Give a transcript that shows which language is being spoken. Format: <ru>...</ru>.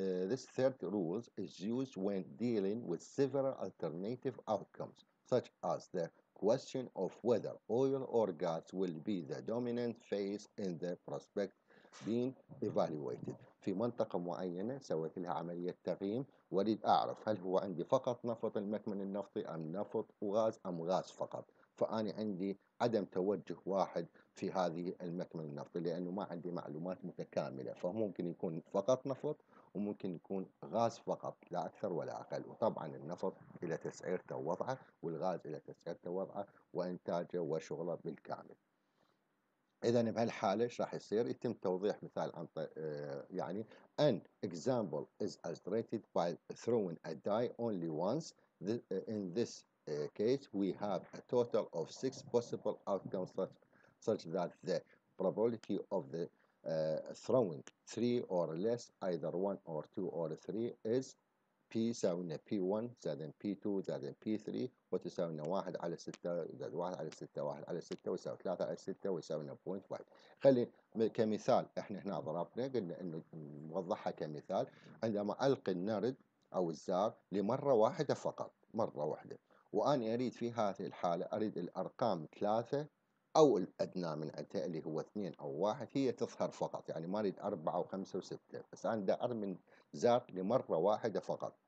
<en>This third rule is used when dealing with several alternative outcomes, such as the question of whether oil or gas will be the dominant phase in the prospect being evaluated.</en> <ar>في منطقة معينة سويت لها عملية تقييم وأريد أعرف هل هو عندي فقط نفط المكمن النفطي أم نفط وغاز أم غاز فقط. فأني عندي عدم توجه واحد في هذه المكمن النفطي لأنه ما عندي معلومات متكاملة، فممكن يكون فقط نفط وممكن يكون غاز فقط لا أكثر ولا أقل، وطبعا النفط إلى تسعيرته ووضعه والغاز إلى تسعيرته ووضعه وإنتاجه وشغله بالكامل. إذن بهالحالة إيش راح يصير؟ يتم توضيح مثال عن يعني</ar> <en>an example is illustrated by throwing a die only once. In this case we have a total of six possible outcomes such that the probability of the throwing three or less either one or two or three is p</en> <ar>ساوينا p1 زائد p2 زائد p3 وتساوينا 1 على 6 زائد 1 على 6 1 على 6 ويساوي 3 على 6 ويساوينا 0.1. خلي كمثال احنا هنا ضربنا قلنا انه نوضحها كمثال، عندما القي النرد او الزار لمره واحده فقط مره واحده وأنا أريد في هذه الحالة أريد الأرقام 3 أو الأدنى من عدها اللي هو 2 أو 1 هي تظهر فقط، يعني ما أريد 4 و 5 و 6 بس أنا أرمي زار لمرة واحدة فقط.</ar>